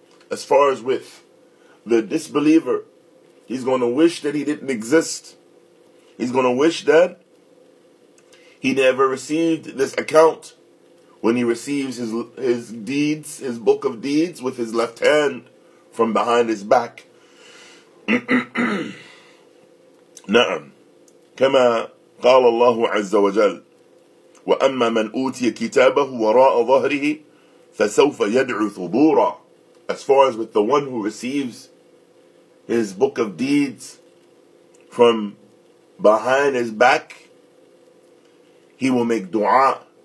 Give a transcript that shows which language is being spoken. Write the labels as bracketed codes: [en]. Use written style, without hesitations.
[en] As far as with the disbeliever, he's going to wish that he didn't exist. He's going to wish that he never received this account when he receives his deeds, his book of deeds, with his left hand from behind his back. [ar] نعم كما قال الله عز وجل وأما من أوتي كتابه وراء ظهره فسوف يدعو ثبورا. [en] As far as with the one who receives his book of deeds from behind his back, he will make dua.